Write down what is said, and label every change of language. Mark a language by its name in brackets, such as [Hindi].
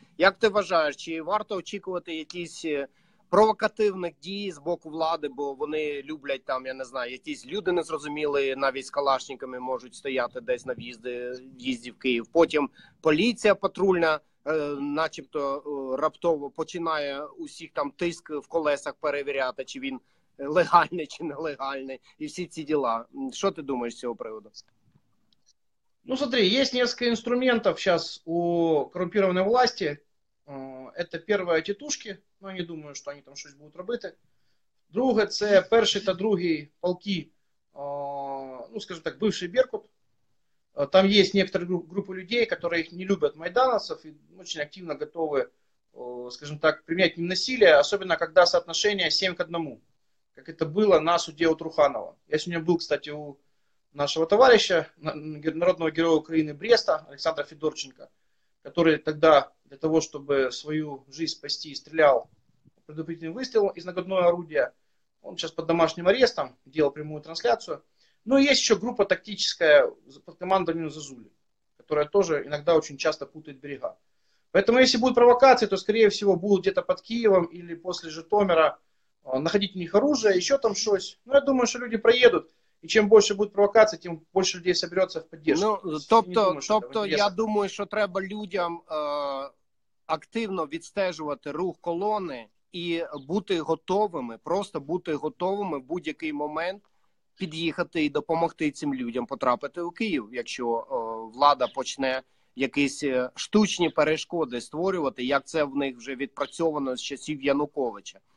[Ukrainian] Як ти вважаєш, чи варто очікувати якісь провокативних дій з боку влади, бо вони люблять там, я не знаю, якісь люди незрозумілі, навіть з калашниками можуть стояти десь на в'їзді в Київ. Потім поліція патрульна начебто раптово починає усіх там тиск в колесах перевіряти, чи він легальний, чи нелегальний, і всі ці діла. Що ти думаєш з цього приводу? [Russian] Ну, смотри, есть несколько инструментов сейчас у коррумпированной власти. Это первое, тетушки, но я не думаю, что они там что-то будут работать. Другое, это первый и другий полки, ну, скажем так, бывший Беркут. Там есть некоторые группы людей, которые их не любят, майдановцев, и очень активно готовы, скажем так, применять им насилие, особенно когда соотношение 7 к 1, как это было на суде у Труханова. Я сегодня был, кстати, у нашего товарища, народного героя Украины Бреста, Александра Федорченко, который тогда для того, чтобы свою жизнь спасти, стрелял предупредительным выстрелом из нагодного орудия. Он сейчас под домашним арестом, делал прямую трансляцию. Ну и есть еще группа тактическая под командованием Зазули, которая тоже иногда очень часто путает берега. Поэтому если будут провокации, то скорее всего будут где-то под Киевом или после Житомира находить у них оружие, еще там что-то. Ну я думаю, что люди проедут. [Ukrainian] І чим більше буде провокація, тим більше людей зібереться в підтримку. Ну, тобто, я думаю, що треба людям активно відстежувати рух колони і бути готовими, просто бути готовими в будь-який момент під'їхати і допомогти цим людям потрапити у Київ, якщо влада почне якісь штучні перешкоди створювати, як це в них вже відпрацьовано з часів Януковича.